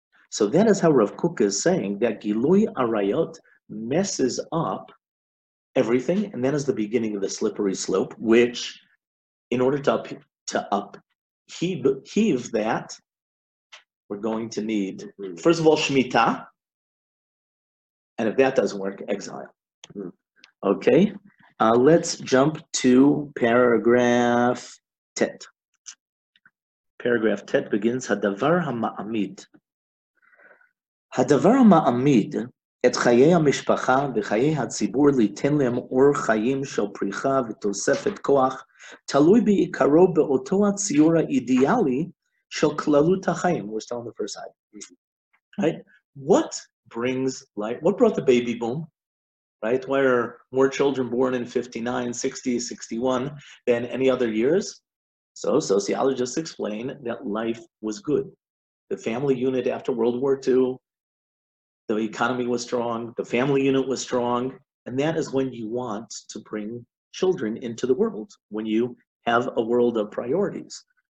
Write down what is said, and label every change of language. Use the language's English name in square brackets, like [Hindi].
[English] So that is how Rav Kook is saying that Gilui Arayot messes up everything, and that is the beginning of the slippery slope, which in order to upheave that, we're going to need, first of all, Shemitah, and if that doesn't work, exile. Okay, let's jump to paragraph Tet. Paragraph Tet begins, [Hebrew] Hadavar HaMa'amid. Hadavar HaMa'amid, את חיי המשפחה וחיי הציבור ליתן להם אור חיים של פריחה ותוספת כוח, תלוי בעיקרו באותו הציור האידיאלי של כללות החיים. [English] We're still on the first side. Right? What brings life? What brought the baby boom? Right? Why are more children born in 59, 60, 61 than any other years? So sociologists explain that life was good. The family unit after World War II, the economy was strong, the family unit was strong, and that is when you want to bring children into the world, when you have a world of priorities.